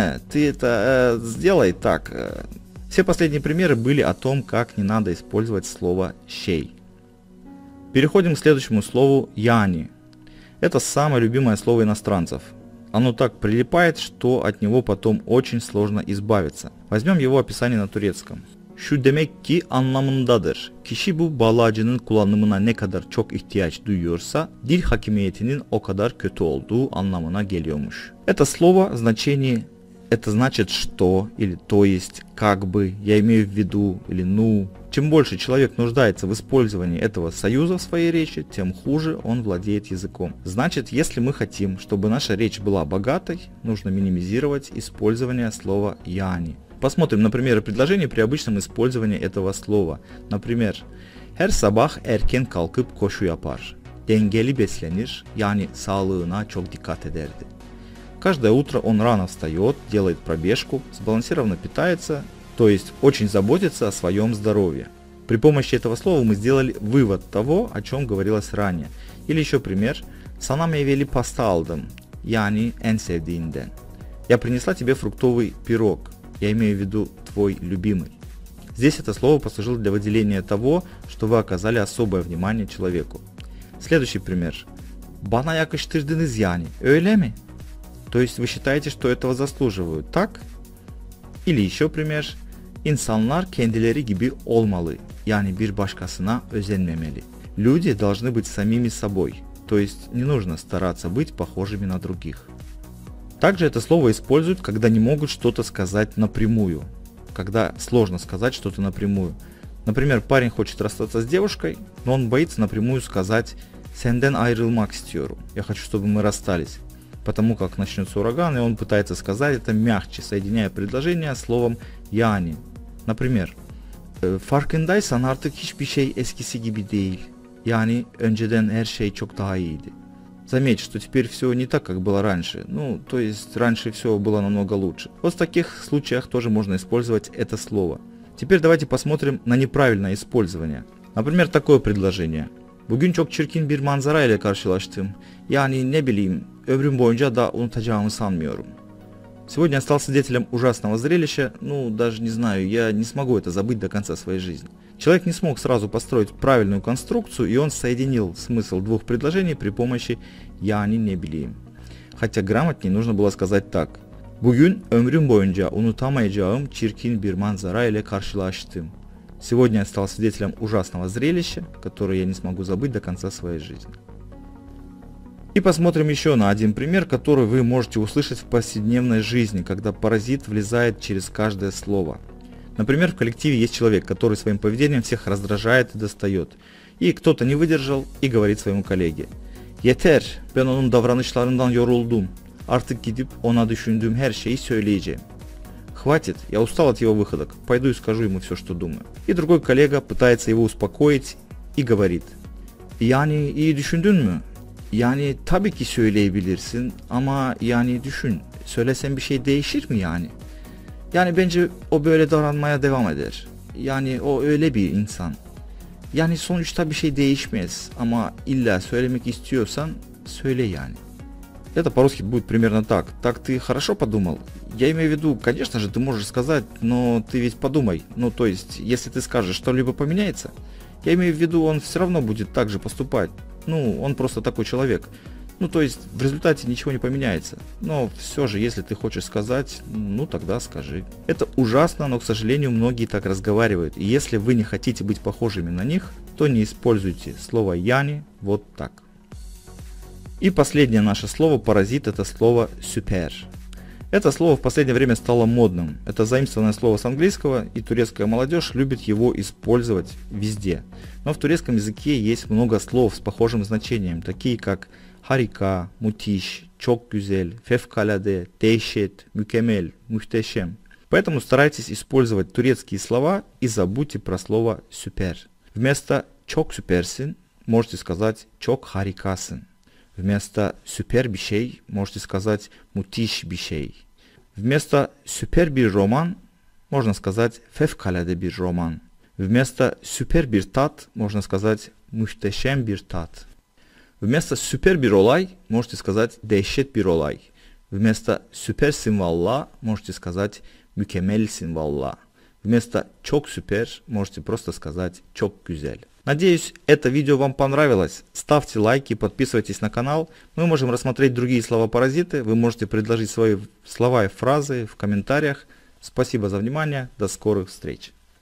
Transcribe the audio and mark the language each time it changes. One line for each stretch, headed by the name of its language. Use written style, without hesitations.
Russian: Ты это сделай так. Все последние примеры были о том, как не надо использовать слово «щей». Переходим к следующему слову «яни». Это самое любимое слово иностранцев. Оно так прилипает, что от него потом очень сложно избавиться. Возьмем его описание на турецком.
Turkish: Şu demek ki anlamındadır. Kişi bu bağlacının kullanımına ne kadar çok ihtiyaç duyuyorsa, dil hakimiyetinin o kadar kötü olduğu anlamına geliyormuş.
Russian: Это слово значение это значит что или то есть как бы, я имею в виду или ну. Чем больше человек нуждается в использовании этого союза в своей речи, тем хуже он владеет языком. Значит, если мы хотим, чтобы наша речь была богатой, нужно минимизировать использование слова yani. Посмотрим, например, предложение при обычном использовании этого слова. Например,
Turkish: her sabah erken kalkıp koşu yapar, dengeli beslenir, yani sağlığına çok dikkat ederdi.
Russian: Каждое утро он рано встает, делает пробежку, сбалансированно питается, то есть очень заботится о своем здоровье. При помощи этого слова мы сделали вывод того, о чем говорилось ранее. Или еще пример,
Turkish: sana meyveli pasta aldım, yani en sevdiğinden.
Russian: Я принесла тебе фруктовый пирог. Я имею в виду твой любимый. Здесь это слово послужило для выделения того, что вы оказали особое внимание человеку. Следующий пример.
Turkish: Bana yakıştırdınız yani, öyle mi?
Russian: То есть вы считаете, что этого заслуживаю, так? Или еще пример.
Turkish: İnsanlar kendileri gibi olmalı, yani bir başkasına özenmemeli.
Russian: Люди должны быть самими собой, то есть не нужно стараться быть похожими на других. Также это слово используют, когда не могут что-то сказать напрямую. Когда сложно сказать что-то напрямую. Например, парень хочет расстаться с девушкой, но он боится напрямую сказать
Turkish: «Senden ayrılmak istiyorum»
Russian: – «Я хочу, чтобы мы расстались». Потому как начнется ураган, и он пытается сказать это мягче, соединяя предложение словом «yani». Например,
Turkish: «Farkındaysan artık hiçbir şey eskisi gibi değil» – «Yani önceden her şey çok daha iyiydi».
Russian: Заметь, что теперь все не так, как было раньше. Ну, то есть, раньше все было намного лучше. Вот в таких случаях тоже можно использовать это слово. Теперь давайте посмотрим на неправильное использование. Например, такое предложение.
Turkish: Bugün çok çirkin bir manzara ile karşılaştım. Yani ne bileyim, ömrüm boyunca da unutacağımı sanmıyorum.
Russian: Сегодня я стал свидетелем ужасного зрелища. Ну, даже не знаю, я не смогу это забыть до конца своей жизни. Человек не смог сразу построить правильную конструкцию, и он соединил смысл двух предложений при помощи
Turkish: «yani не bileyim».
Russian: Хотя грамотнее нужно было сказать так.
Turkish: Bugün ömrüm boyunca unutamayacağım çirkin bir manzara ile karşılaştım.
Russian: Сегодня я стал свидетелем ужасного зрелища, которое я не смогу забыть до конца своей жизни. И посмотрим еще на один пример, который вы можете услышать в повседневной жизни, когда паразит влезает через каждое слово. Например, в коллективе есть человек, который своим поведением всех раздражает и достает. И кто-то не выдержал и говорит своему коллеге.
Turkish: Yeter, ben onun davranışlarından yoruldum. Artık gidip ona düşündüğüm her şeyi söyleyeceğim.
Russian: Хватит, я устал от его выходок, пойду и скажу ему все, что думаю. И другой коллега пытается его успокоить и говорит.
Turkish: Yani iyi düşündün mü? Yani tabii ki söyleyebilirsin ama yani düşün, söylesen bir şey değişir mi yani? Yani bence o böyle davranmaya devam eder. Yani o öyle bir insan. Yani sonuçta bir şey değişmez ama illa söylemek istiyorsan söyle yani.
Russian: Это по-русски будет примерно так. Так ты хорошо подумал? Я имею в виду, конечно же, ты можешь сказать, но ты ведь подумай. Ну то есть, если ты скажешь, что-либо поменяется, я имею в виду, он все равно будет так же поступать. Ну, он просто такой человек. Ну, то есть, в результате ничего не поменяется. Но все же, если ты хочешь сказать, ну, тогда скажи. Это ужасно, но, к сожалению, многие так разговаривают. И если вы не хотите быть похожими на них, то не используйте слово «yani» вот так. И последнее наше слово «паразит» — это слово «super». Это слово в последнее время стало модным. Это заимствованное слово с английского, и турецкая молодежь любит его использовать везде. Но в турецком языке есть много слов с похожим значением, такие как «harika», «mutiş», «çok güzel», «fevkalade», «dehşet», «mükemmel», «muhteşem». Поэтому старайтесь использовать турецкие слова и забудьте про слово «super». Вместо
Turkish: «çok süpersin»
Russian: можете сказать
Turkish: «çok harikasın».
Russian: Вместо
Turkish: «super bir şey»
Russian: можете сказать
Turkish: «mutiş bir şey».
Russian: Вместо
Turkish: «super bir roman»
Russian: можно сказать
Turkish: «fevkalade bir roman».
Russian: Вместо
Turkish: «super bir tat»
Russian: можно сказать
Turkish: «muhteşem bir tat».
Russian: Вместо
Turkish: «super bir olay»
Russian: можете сказать
Turkish: «dehşet bir olay».
Russian: Вместо
Turkish: «süpersin valla»
Russian: можете сказать
Turkish: «mükemmelsin valla».
Russian: Вместо
Turkish: «чок супер»
Russian: можете просто сказать
Turkish: «чок гюзель».
Russian: Надеюсь, это видео вам понравилось. Ставьте лайки, подписывайтесь на канал. Мы можем рассмотреть другие слова-паразиты. Вы можете предложить свои слова и фразы в комментариях. Спасибо за внимание. До скорых встреч.